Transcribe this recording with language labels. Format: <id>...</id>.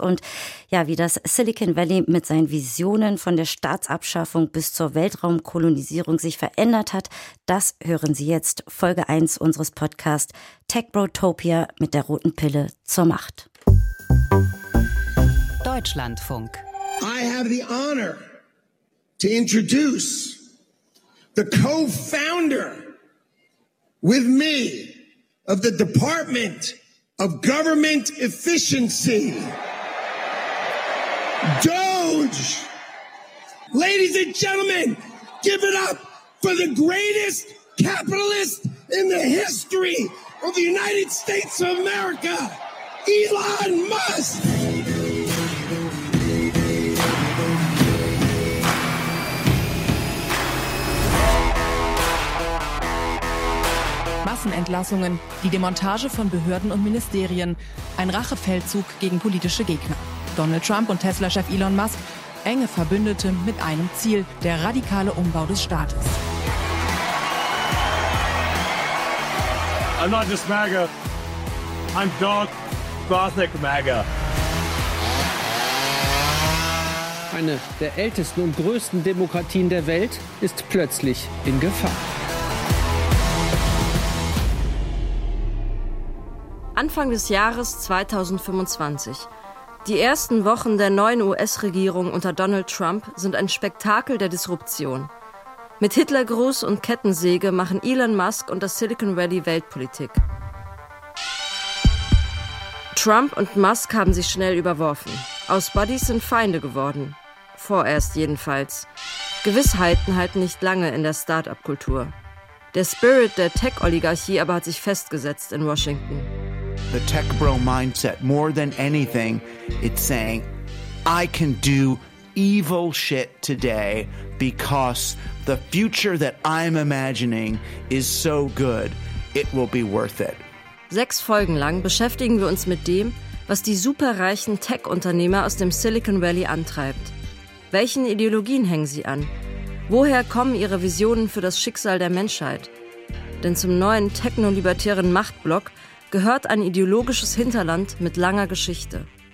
<de>Und ja, wie das Silicon Valley mit seinen Visionen von der Staatsabschaffung bis zur Weltraumkolonisierung sich verändert hat, das hören Sie jetzt, Folge 1 unseres Podcasts Tech Brotopia mit der roten Pille zur Macht. Deutschlandfunk.</de> <en>I have the honor to introduce the co-founder with me of the Department of Government Efficiency, Doge. Ladies and gentlemen, give it up for the greatest capitalist in the history of the United States of America, Elon Musk.</en> <de>Massenentlassungen, die Demontage von Behörden und Ministerien, ein Rachefeldzug gegen politische Gegner. Donald Trump und Tesla-Chef Elon Musk, enge Verbündete mit einem Ziel, der radikale Umbau des Staates.</de> <en>I'm not just MAGA, I'm dark, gothic MAGA.</en> <de>Eine der ältesten und größten Demokratien der Welt ist plötzlich in Gefahr. Anfang des Jahres 2025. Die ersten Wochen der neuen US-Regierung unter Donald Trump sind ein Spektakel der Disruption. Mit Hitlergruß und Kettensäge machen Elon Musk und das Silicon Valley Weltpolitik. Trump und Musk haben sich schnell überworfen. Aus Buddies sind Feinde geworden. Vorerst jedenfalls. Gewissheiten halten nicht lange in der Start-up-Kultur. Der Spirit der Tech-Oligarchie aber hat sich festgesetzt in Washington.</de> <en>The tech bro mindset, more than anything, it's saying, I can do evil shit today because the future that I'm imagining is so good, it will be worth it.</en> <de>6 Folgen lang beschäftigen wir uns mit dem, was die superreichen Tech-Unternehmer aus dem Silicon Valley antreibt. Welchen Ideologien hängen sie an? Woher kommen ihre Visionen für das Schicksal der Menschheit? Denn zum neuen technolibertären Machtblock gehört ein ideologisches Hinterland mit langer Geschichte.</de>